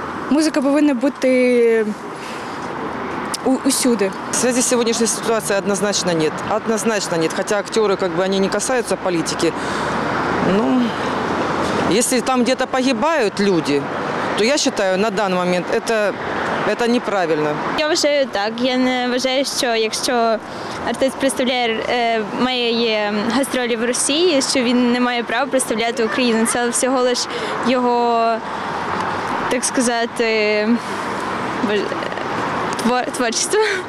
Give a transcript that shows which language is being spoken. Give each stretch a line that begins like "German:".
Ukrainian: Музика повинна бути усюди.
Russian: В связи с сегодняшней ситуацией однозначно нет. Однозначно нет. Хотя актеры, как бы, они не касаются политики. Ну, если там где-то погибают люди, то я считаю, на данный момент это неправильно.
Ukrainian: Я вважаю так. Я не вважаю, що якщо артист представляє має гастролі в Росії, що він не має права представляти Україну. Це всього лиш його, так сказати, творчество.